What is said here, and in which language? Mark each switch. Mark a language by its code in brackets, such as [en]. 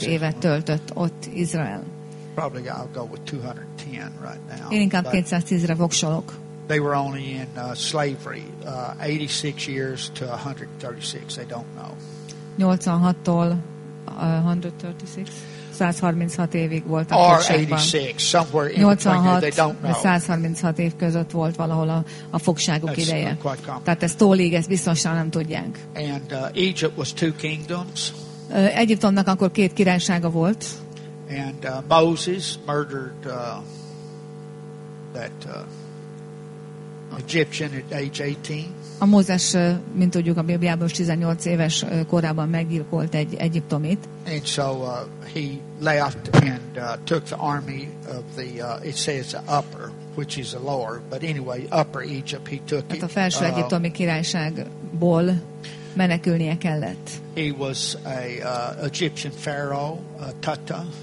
[hu] évet töltött ott Izrael. [en] Probably I'll go with 210 right now. [hu] Én inkább 210-re voksolok. [en] They were only in slavery 86 years to 136. They don't know. [hu] 86-tól 136. 136 évig volt a fogságban. 86, 136 év között volt valahol a fogságuk ideje. Tehát ez tólig, ezt biztosan nem tudják. [en] Egypt was two kingdoms. [hu] Egyiptomnak akkor két királysága volt. [en] And Moses murdered that Egyptian at age 18. [hu] A Mózes, mint tudjuk, a Bibliából 18 éves korában meggyilkolt egy egyiptomit. [en] And so he left and took the army of the, it says the upper, which is the lower, but anyway, upper Egypt, he took [hu] it. A felső egyiptomi királyságból menekülnie kellett. [en] He was a Egyptian pharaoh, Tata.